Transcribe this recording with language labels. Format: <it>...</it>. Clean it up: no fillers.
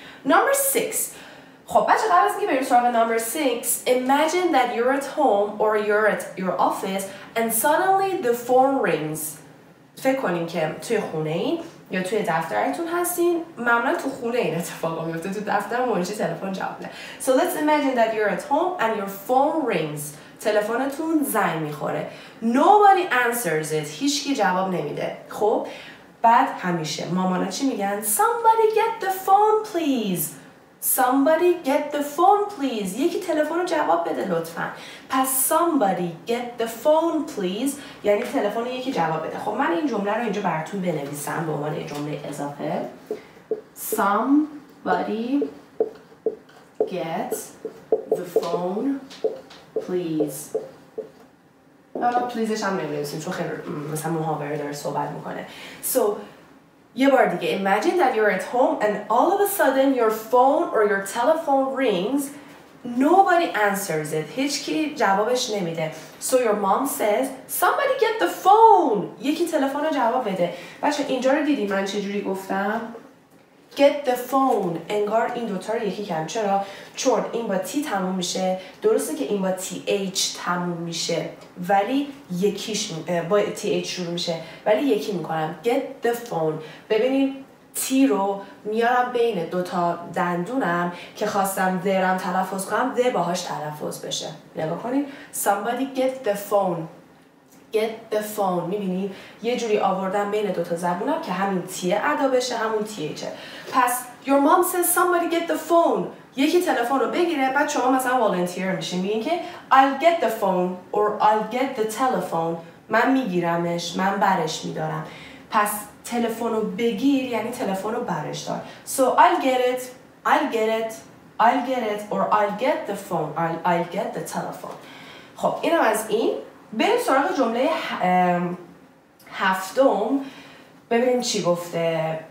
<en>Number 6.</en> <fa>خب بچه قبل از اینکه بریم سراغ</fa> <en>number 6، imagine that you're at home or you're at your office and suddenly the phone rings.</en> <fa>فکر کنیم که توی خونه این یا توی دفترتون هستین، معمولا تو خونه این اتفاق میفته، تو دفتر منشی تلفن جواب نه.</fa> <en>So let's imagine that you're at home and your phone rings.</en> <fa>تلفنتون زنگ میخوره.</fa> <en>Nobody answers it.</en> <fa>هیچ کی جواب نمیده. خب بعد همیشه مامانا چی میگن؟</fa> <en>Somebody get the phone please. Somebody get the phone please.</en> <fa>یکی تلفن رو جواب بده لطفا. پس</fa> <en>somebody get the phone please</en> <fa>یعنی تلفن یکی جواب بده. خب من این جمله رو اینجا براتون بنویسم به عنوان یه جمله اضافه.</fa> <en>Somebody get the phone please.</en> <fa>پلیزش هم نمی‌نویسیم چون خیلی مثلا محاوره داره صحبت میکنه.</fa> <en>So</en> <fa>یه بار دیگه،</fa> <en>imagine that you're at home and all of a sudden your phone or your telephone rings. Nobody answers it.</en> <fa>هیچ کی جوابش نمیده.</fa> <en>So your mom says, somebody get the phone.</en> <fa>یکی تلفن رو جواب بده. بچه اینجا رو دیدی من چجوری گفتم؟</fa> <en>get the phone.</en> <fa>انگار این دوتا رو یکی کردم. چرا؟ چون این با تی تموم میشه. درسته که این با th تموم میشه، ولی یکیش با th شروع میشه، ولی یکی میکنم.</fa> <en>get the phone.</en> <fa>ببینید تی رو میارم بین دوتا دندونم که خواستم درم تلفظ کنم، ده باهاش تلفظ بشه. نگاه کنید.</fa> <en>somebody get the phone. get the phone.</en> <fa>میبینید یه جوری آوردم بین دوتا زبونم که همین تیه ادا بشه، همون تیه.</fa> <en>پس your mom says somebody get the phone.</en> <fa>یکی تلفن رو بگیره، بعد شما مثلا volunteer میشه، میگین که</fa> <en>I'll get the phone or I'll get the telephone.</en> <fa>من میگیرمش، من برش میدارم. پس تلفن رو بگیر یعنی تلفن رو برش دار.</fa> <en>So I'll get it, I'll get it, I'll get it or I'll get the phone, I'll get the telephone.</en> <fa>خب اینم از این. بریم سراغ جمله هفتم ببینیم چی گفته.</fa>